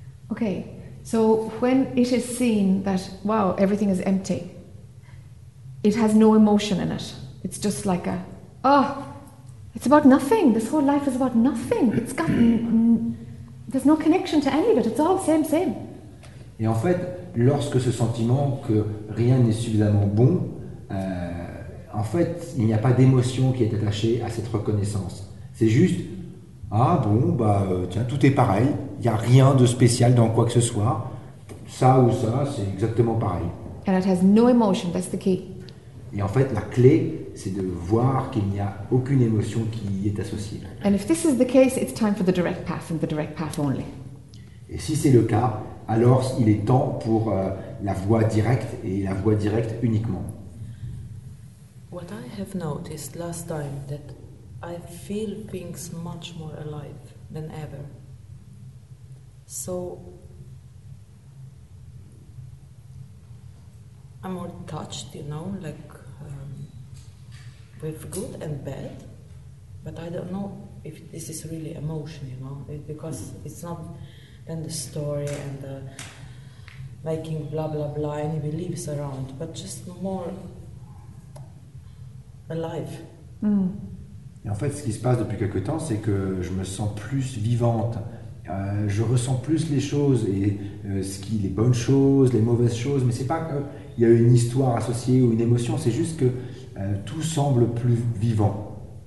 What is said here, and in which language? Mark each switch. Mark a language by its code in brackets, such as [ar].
[en] Ok, so when it is seen that, wow, everything is empty, it has no emotion in it. It's just like a, oh! It's about nothing. This whole life is about nothing. It's got there's no connection to any of it. It's all same. [fr] Et en fait, lorsque ce sentiment que rien n'est suffisamment bon, en fait, il n'y a pas d'émotion qui est attachée à cette reconnaissance. C'est juste ah bon, bah tiens, tout est pareil. Il n'y a rien de spécial dans quoi que ce soit. Ça ou ça, c'est exactement pareil. [en] And it has no emotion. That's the key. [fr] Et en fait, la clé, c'est de voir qu'il n'y a aucune émotion qui y est associée. [en] And if this is the case, it's time for the direct path and the direct path only. [fr] Et si c'est le cas, alors il est temps pour la voie directe et la voie directe uniquement. [en] What I have noticed last time that I feel things much more alive than ever. So I'm more touched, you know, like with good and bad, but I don't know if this is really emotion, you know, because it's not then the story and the making blah blah blah any beliefs around, but just more alive. Mm. [fr] Et en fait, ce qui se passe depuis quelque temps, c'est que je me sens plus vivante. Je ressens plus les choses et ce qui les bonnes choses, les mauvaises choses, mais c'est pas que il y a une histoire associée ou une émotion, c'est juste que tout semble plus vivant.